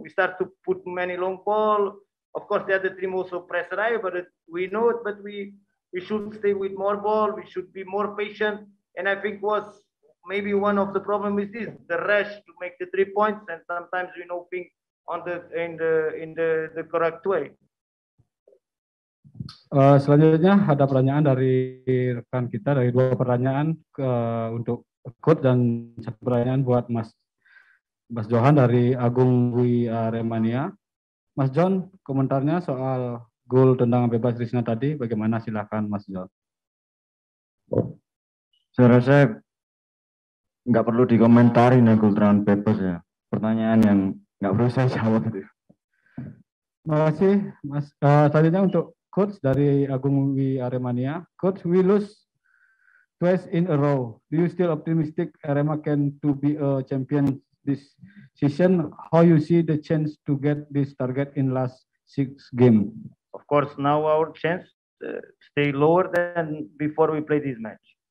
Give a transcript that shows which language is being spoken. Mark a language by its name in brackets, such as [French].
[English] We start to put many long ball. Of course, the other team also press right, but we know it. But we should stay with more ball. We should be more patient. And I think was maybe one of the problem is this: the rush to make the 3 points, and sometimes we no think on the in the correct way. [Indonesian] Selanjutnya ada pertanyaan dari rekan kita, dari dua pertanyaan untuk Kurt, dan satu pertanyaan buat Mas Johan dari Agung Wi Aremania. Mas John, komentarnya soal gol tendangan bebas Rizna tadi, bagaimana? Silakan Mas John. Saya rasa nggak perlu dikomentari nih gol tendangan bebas ya. Pertanyaan yang nggak perlu saya jawab itu. Terima kasih Mas. Selanjutnya untuk Kurt dari Agung Wi Aremania. [English] Kurt, we lose twice in a row. Do you still optimistic Arema can to be a champion this season? How you see the chance to get this target in last 6 game? Of course, now our chance stay lower than before we play this match.